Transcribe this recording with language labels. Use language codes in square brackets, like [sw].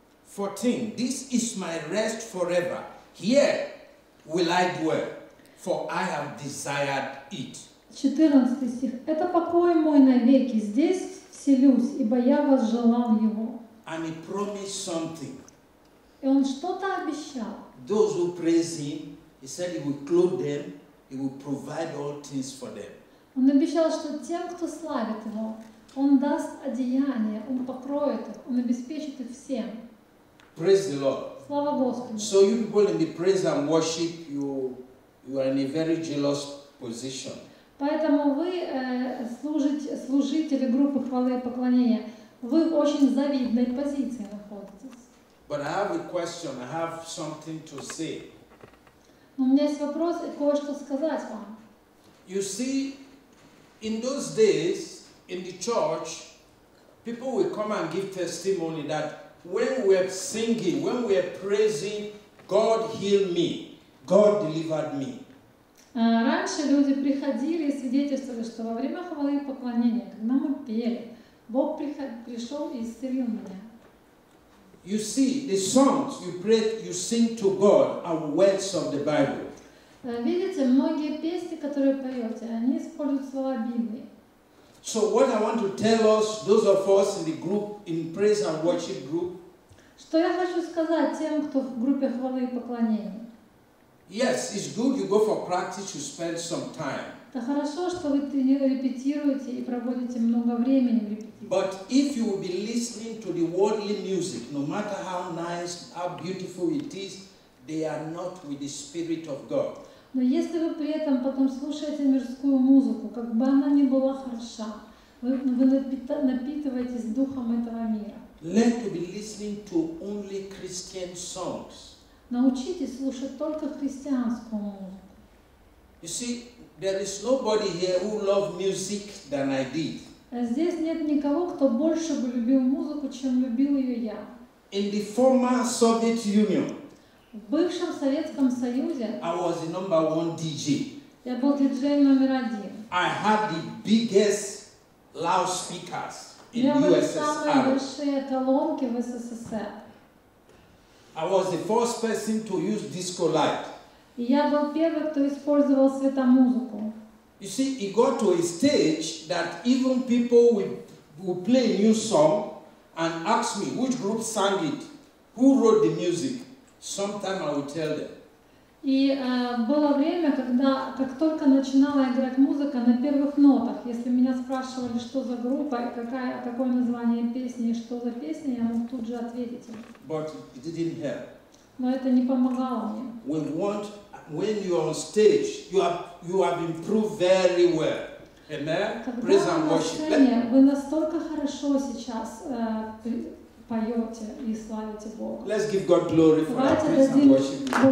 [en] 14. This is my rest forever. Here will I dwell, for I have desired it. [ru] 14 стих. Это покой мой навеки. Здесь вселюсь, ибо я возжелал его. [en] And he promised something. [ru] И он что-то обещал. [en] Those who praise him, he said he will clothe them. He will provide all things for them. [ru] Он обещал, что тем, кто славит его, он даст одеяние, он покроет их, он обеспечит их всем. [en] Praise the Lord. [ru] Слава Господу. [en] So you people in the praise and worship, you are in a very jealous position. [ru] Поэтому вы служители группы хвалы и поклонения. Вы в очень завидной позиции находитесь. [en] But I have a question. I have something to say. [ru] Но у меня есть вопрос и кое-что сказать вам. [en] You see, in those days, in the church, people would come and give testimony that when we were singing, when we were praising, God healed me, God delivered me. [ru] Раньше люди приходили и свидетельствовали, что во время хвалы и поклонения, когда мы пели, Бог пришел и исцелил меня. [en] You see, the songs you pray, you sing to God are words of the Bible. [ru] Видите, многие песни, которые поете, они используют слова Библии. [en] So what I want to tell us, those of us in the group, in praise and worship group. [ru] Что я хочу сказать тем, кто в группе хвалы и поклонения? [en] Yes, it's good you go for practice, you spend some time. [ru] Да хорошо, что вы репетируете и проводите много времени в репетиции. [en] But if you will be listening to the worldly music, no matter how nice, how beautiful it is, they are not with the Spirit of God. [ru] Но если вы при этом потом слушаете мирскую музыку, как бы она ни была хороша, вы напитываетесь духом этого мира. [en] Learn to be listening to only Christian songs. [ru] Научитесь слушать только христианскую музыку. [en] You see, there is nobody here who loves music than I did. [ru] Здесь нет никого, кто больше бы любил музыку, чем любил ее я. [en] In the former Soviet Union. [ru] В бывшем Советском Союзе. [en] I was the number one DJ. [ru] Я был диджей номер один. [en] I had the biggest loudspeakers in [ru] Я был самые большие эталонки в СССР. [en] I was the first person to use disco light. [ru] Я был первым, кто использовал светомузыку. [en] You see, it got to a stage that even people would play a new song and ask me which group sang it, who wrote the music. Sometime I would tell them. [ru] И было время, когда как только начинала играть музыка на первых нотах, если меня спрашивали, что за группа и какое название песни, что за песня, я мог тут же ответить им. [en] But it didn't help. [ru] Но это не помогало мне. [en] When you are on stage, you have improved very well. Amen. Praise and worship. [ru] Вы настолько хорошо сейчас поете и славите Бога. [en] Let's give God glory for our praise and worship.